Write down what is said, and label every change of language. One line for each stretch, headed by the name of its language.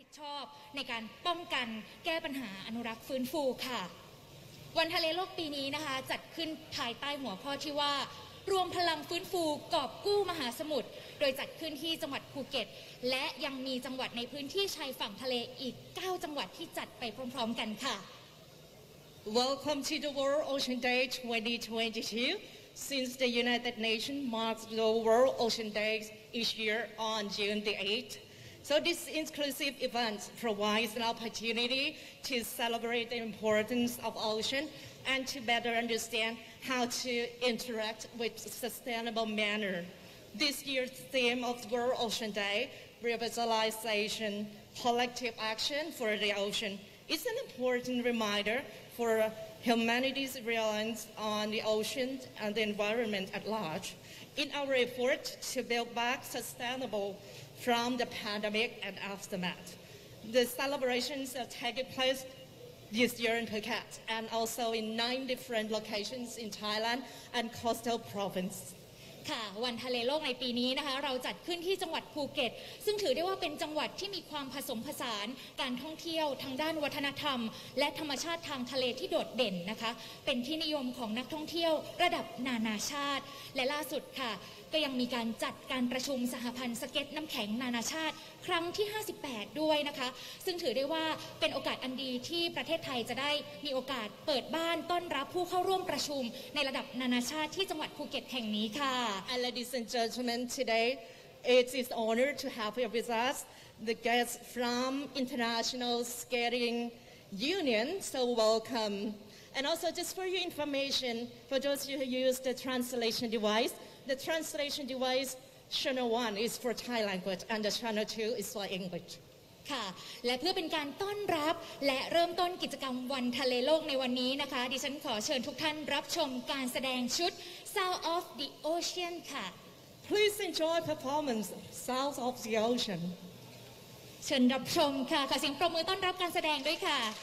Thai: ชอบในการป้องกันแก้ปัญหาอนุรักษ์ฟื้นฟูค่ะวันทะเลโลกปีนี้นะคะจัดขึ้นภายใต้หัวข้อที่ว่ารวมพลังฟื้นฟูกอบกู้มหาสมุทรโดยจัดขึ้นที่จังหวัดภูเก็ตและยังมีจังหวัดในพื้นที่ชายฝั่งทะเลอีก9จังหวัดที่จัดไปพร้อมๆกันค่ะ
English: Welcome to the World Ocean Day 2022 since the United Nations marks the World Ocean Day each year on June the 8thSo this inclusive event provides an opportunity to celebrate the importance of ocean and to better understand how to interact with sustainable manner. This year's theme of World Ocean Day, Revitalization, Collective Action for the Ocean, is an important reminder for humanity's reliance on the ocean and the environment at large. In our effort to build back sustainableFrom the pandemic and aftermath, the celebrations are taking place this year in Phuket and also in 9 different locations in Thailand and coastal province.
Thai: ค่ะวันทะเลโลกในปีนี้นะคะเราจัดขึ้นที่จังหวัดภูเก็ตซึ่งถือได้ว่าเป็นจังหวัดที่มีความผสมผสานการท่องเที่ยวทางด้านวัฒนธรรมและธรรมชาติทางทะเลที่โดดเด่นนะคะเป็นที่นิยมของนักท่องเที่ยวระดับนานาชาติและล่าสุดค่ะ ก็ยังมีการจัดการประชุมสหพันธ์สเก็ตน้ำแข็งนานาชาติครั้งที่58ด้วยนะคะซึ่งถือได้ว่าเป็นโอกาสอันดีที่ประเทศไทยจะได้มีโอกาสเปิดบ้านต้อนรับผู้เข้าร่วมประชุมในระดับนานาชาติที่จังหวัดภูเก็ตแห่งนี้ค่ะ
English: And ladies and gentlemen, today it is honored to have here with us the guests from International Skating Union. So welcome. And also just for your information, for those who use the translation deviceThe translation device Channel 1 is for Thai language and the Channel 2 is for English.
Thai: ค่ะและเพื่อเป็นการต้อนรับและเริ่มต้นกิจกรรมวันทะเลโลกในวันนี้นะคะดิฉันขอเชิญทุกท่านรับชมการแสดงชุด Sound of the Ocean ค่ะ
English: Please enjoy performance Sound of the Ocean.
Thai: เชิญรับชมค่ะขอเสียงปรบมือต้อนรับการแสดงด้วยค่ะ